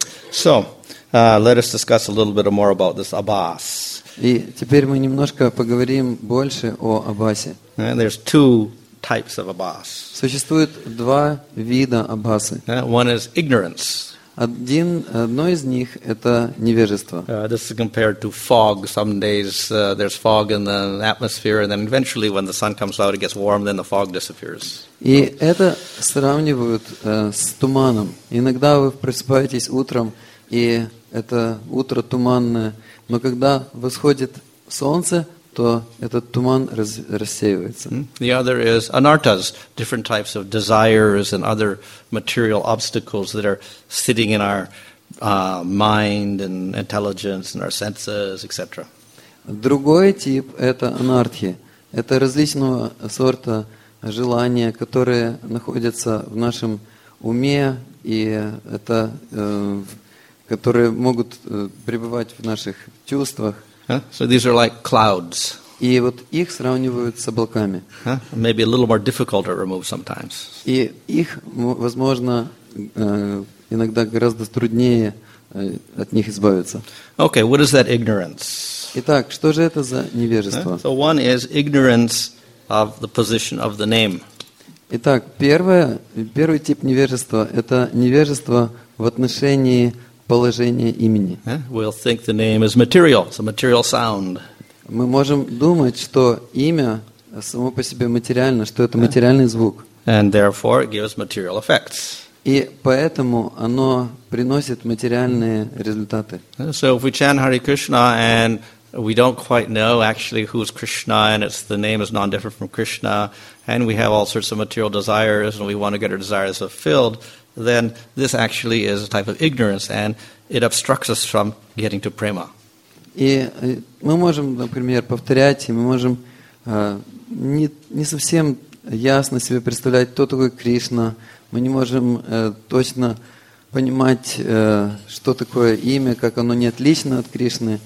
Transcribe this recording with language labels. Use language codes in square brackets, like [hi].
[en] So, let us discuss a little bit more about this abhas. [ru] И теперь мы немножко поговорим больше о абхасе. [en] There's two types of abhas. [ru] Существует два вида абхасы. [en] One is ignorance. [ru] Одно из них – это невежество. [en] This is compared to fog. Some days there's fog in the atmosphere, and then eventually when the sun comes out, it gets warm, then the fog disappears. [ru] И это сравнивают с туманом. Иногда вы просыпаетесь утром, и это утро туманное, но когда восходит солнце, то этот туман рассеивается. [en] The other is anartas, different types of desires and other material obstacles that are sitting in our mind and intelligence and our senses, etc. [ru] Другой тип – это анартхи. Это различного сорта желания, которые находятся в нашем уме, и это которые могут пребывать в наших чувствах. [en] So these are like clouds. [ru] И вот их сравнивают с облаками. [en] Maybe a little more difficult to remove sometimes. [ru] И их, возможно, иногда гораздо труднее от них избавиться. [en] Okay, what is that ignorance? [ru] Итак, что же это за невежество? [en] So one is ignorance of the position of the name. [ru] Итак, первый тип невежества – это невежество в отношении положение имени. [en] We'll think the name is material. It's a material sound. [ru] Мы можем думать, что имя само по себе материально, что это материальный звук. [en] And therefore it gives material effects. [ru] И поэтому оно приносит материальные результаты. [en] So if we chant Hare Krishna and we don't quite know actually who is Krishna and it's the name is non-different from Krishna and we have all sorts of material desires and we want to get our desires fulfilled, then this actually is a type of ignorance and it obstructs us from getting to prema. [ru] И мы можем, например, повторять, и мы можем не совсем ясно себе представлять, кто такой Кришна. Мы не можем точно понимать, что такое имя, как оно не отлично от Кришны.